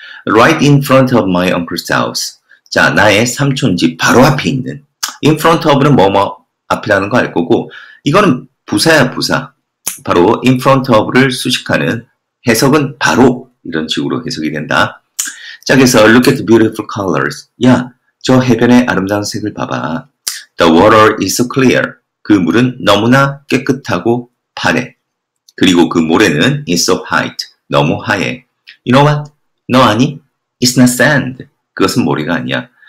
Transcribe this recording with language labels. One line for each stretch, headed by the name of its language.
English: Right in front of my uncle's house.
Korean: 자, 나의 삼촌 집 바로 앞에 있는. In front of는 뭐뭐 앞이라는 거알 거고 이거는 부사야, 부사. 바로 in front of를 수식하는 해석은 바로 이런 식으로 해석이 된다. 자, 그래서
English: look at the beautiful colors.
Korean: 야, 저 해변의 아름다운 색을 봐봐.
English: The water is so clear.
Korean: 그 물은 너무나 깨끗하고 파래. 그리고 그 모래는
English: is so white.
Korean: 너무 하얘.
English: You know what?
Korean: 너 아니?
English: It's not sand.
Korean: 그것은 모래가 아니야.